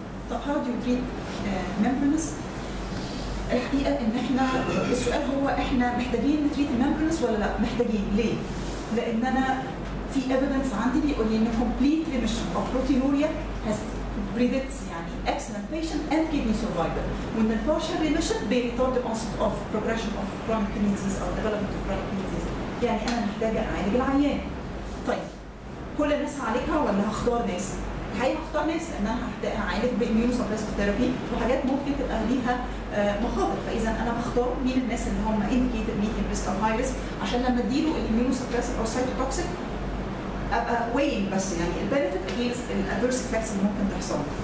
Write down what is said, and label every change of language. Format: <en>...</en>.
<ar>طب</ar> <en>how do you treat membranous؟</en> <ar>الحقيقة إن إحنا السؤال هو إحنا محتاجين نتريت الممبرنس ولا لا؟ محتاجين ليه؟ لأن أنا في ايفيدنس عندي بيقول إن</ar> <en>complete remission of proteinuria has predicted excellent patient and kidney survivor. When the partial remission, they retard the onset of progression of chronic kidney disease or development of chronic kidney disease.</en> <ar>يعني أنا محتاجة أعالج العيان. طيب كل الناس هعالجها ولا هختار ناس؟ هي هختار ناس لأن أنا هعالج بإميونوسبريسيف ثيرابي وحاجات ممكن تبقى ليها مخاطر. فإذا أنا بختار مين الناس اللي هم</ar> <en>indicated medium risk or high risk</en> <ar>عشان لما أديله الإميونوسبريسيف أو سايتوتوكسيك أبقى weighing بس يعني الـ benefit against الـ adverse effects اللي ممكن تحصل.</ar>